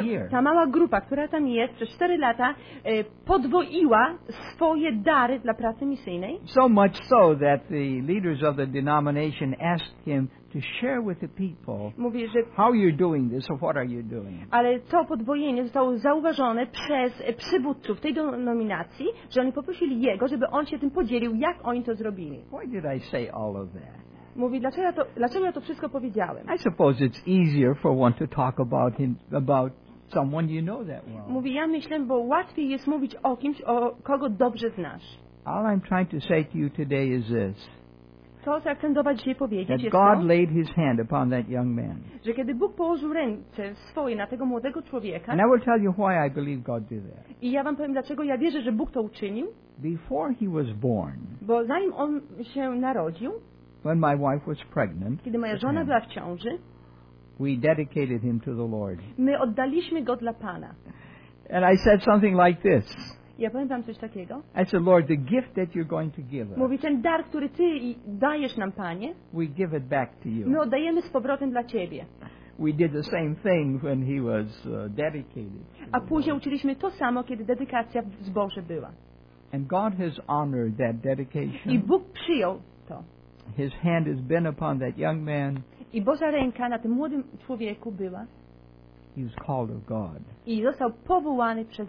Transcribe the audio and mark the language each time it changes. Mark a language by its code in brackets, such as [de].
[pl] Ta mała grupa, która tam jest przez 4 lata, podwoiła swoje dary dla pracy misyjnej. [en] So much so that the leaders of the denomination asked him to share with the people. [pl] Mówi, że [en] how you're doing this or what are you doing. [pl] Ale to podwojenie zostało zauważone przez przywódców tej denominacji, że oni poprosili jego, żeby on się tym podzielił, jak oni to zrobili. [en] Why did I say all of that? [pl] Mówi, dlaczego ja to wszystko powiedziałem? [en] I suppose it's easier for one to talk about him, about someone you know that well. [pl] Mówi, ja myślę, bo łatwiej jest mówić o kimś, o kogo dobrze znasz. [en] All I'm trying to say to you today is this. [pl] To, co ja chcę do was dzisiaj powiedzieć, [en] that [pl] jest [en] God [pl] to, [en] laid his hand upon that young man. [pl] Że kiedy Bóg położył ręce swoje na tego młodego człowieka. [en] And I will tell you why I believe God did that. [pl] I ja wam powiem, dlaczego ja wierzę, że Bóg to uczynił. [en] Before he was born. [pl] Bo zanim on się narodził. [en] When my wife was pregnant, [pl] kiedy moja żona była w ciąży, [en] we dedicated him to the Lord. [pl] My oddaliśmy go dla Pana. [en] And I said something like this. [pl] Ja powiem wam coś takiego. [en] I said, Lord, the gift that you're going to give us. [pl] Mówi, ten dar, który ty dajesz nam, Panie. [en] We give it back to you. [pl] My oddajemy z powrotem dla ciebie. [en] We did the same thing when he was dedicated. [pl] A później uczyliśmy to samo, kiedy dedykacja w zborze była. [en] And God has honored that dedication. [pl] I Bóg przyjął to. [en] His hand has been upon that young man. [pl] I Boża ręka na tym młodym człowieku była. [en] He was called of God. [pl] I został powołany przez